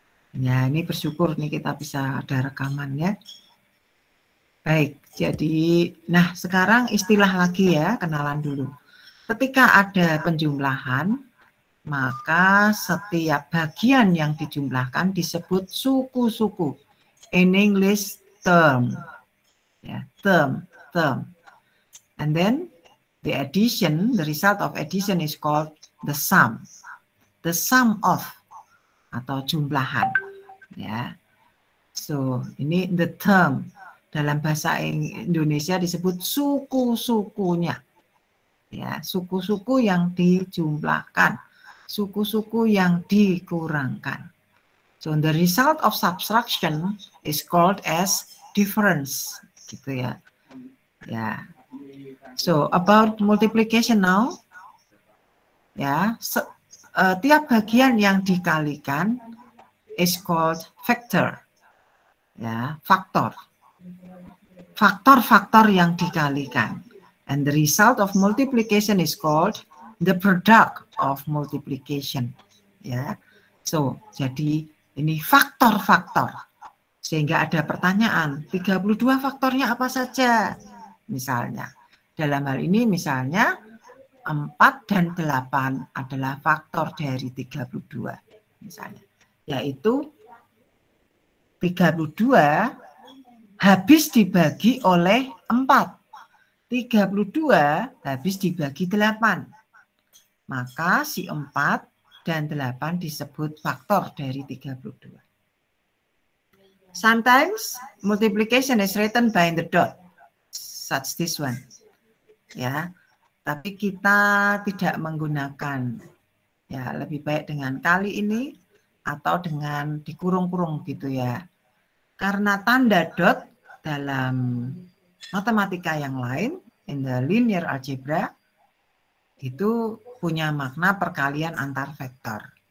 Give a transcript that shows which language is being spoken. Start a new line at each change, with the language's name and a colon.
Indonesian: Ya, ini bersyukur nih kita bisa ada rekaman ya. Baik, jadi nah sekarang istilah lagi ya, kenalan dulu. Ketika ada penjumlahan, maka setiap bagian yang dijumlahkan disebut suku-suku.
English: In English, term. Yeah, term, term. And then, the addition, the result of addition is called the sum. The sum of, atau jumlahan. Yeah. So, ini the term.
Indonesian: Dalam bahasa Indonesia disebut suku-sukunya. Yeah, suku-suku yang dijumlahkan. Suku-suku yang dikurangkan.
English: So the result of subtraction is called as difference, gitu ya. Ya. Yeah. So about multiplication now.
Indonesian: Ya, tiap bagian yang dikalikan
English: is called factor. Ya, yeah, faktor.
Indonesian: Faktor-faktor yang dikalikan.
English: And the result of multiplication is called the product of multiplication, ya.
Indonesian: So, jadi ini faktor-faktor. Sehingga ada pertanyaan, 32 faktornya apa saja? Misalnya, dalam hal ini misalnya 4 dan 8 adalah faktor dari 32. Misalnya, yaitu 32 habis dibagi oleh 4. 32 habis dibagi 8. Maka si 4 dan 8 disebut faktor dari 32.
English: Sometimes multiplication is written by the dot, such this one.
Indonesian: Ya, tapi kita tidak menggunakan, ya lebih baik dengan kali ini atau dengan dikurung-kurung gitu ya. Karena tanda dot dalam matematika yang lain,
English: in the linear algebra,
Indonesian: itu punya makna perkalian antar vektor.